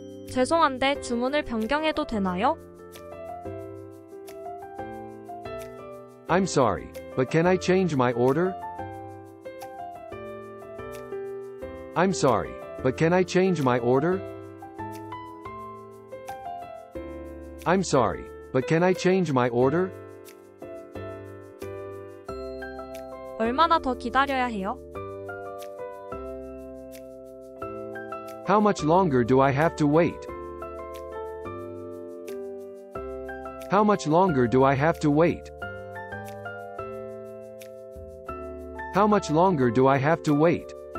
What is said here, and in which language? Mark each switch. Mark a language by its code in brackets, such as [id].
[ko] 죄송한데 주문을 변경해도 되나요? [en] I'm sorry, but can I change my order? I'm sorry, but can I change my order? I'm sorry, but can I change my order? [ko] 얼마나 더 기다려야 해요? [en] How much longer do I have to wait? How much longer do I have to wait? How much longer do I have to wait?